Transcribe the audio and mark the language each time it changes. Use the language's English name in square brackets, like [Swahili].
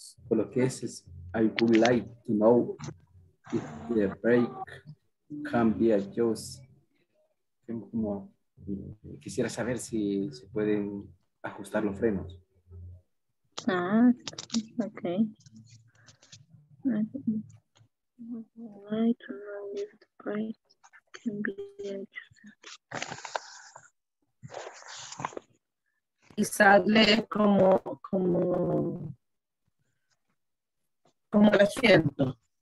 [English] I would like to know if the brake can be adjusted. [Spanish] Como quisiera saber si se pueden ajustar los frenos. [English] Ah, okay. I don't know if the brake can be adjusted. [Spanish] Quizás lee como el asiento.